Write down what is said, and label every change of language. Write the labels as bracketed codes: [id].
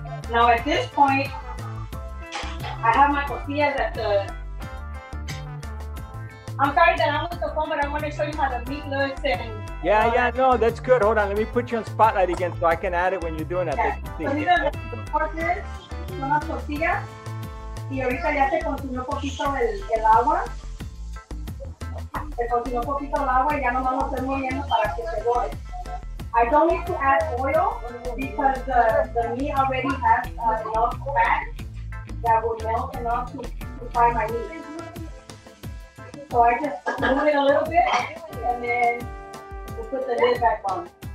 [en] Now at this point, I have my costillas at the... I'm sorry that I'm on the phone, but I want to show you how the meat looks. And No, that's good. Hold on, let me put you on spotlight again so I can add it when you're doing that. Yeah. So these are the horses, [es] son las costillas. Y ahorita ya se consumió poquito el agua. Se consumió poquito el agua y ya nos vamos a hacer moviendo para que se boil. [en] I don't need to add oil because the meat already has enough fat that will melt enough to fry my meat. So I just move it a little bit and then we'll put the lid back on.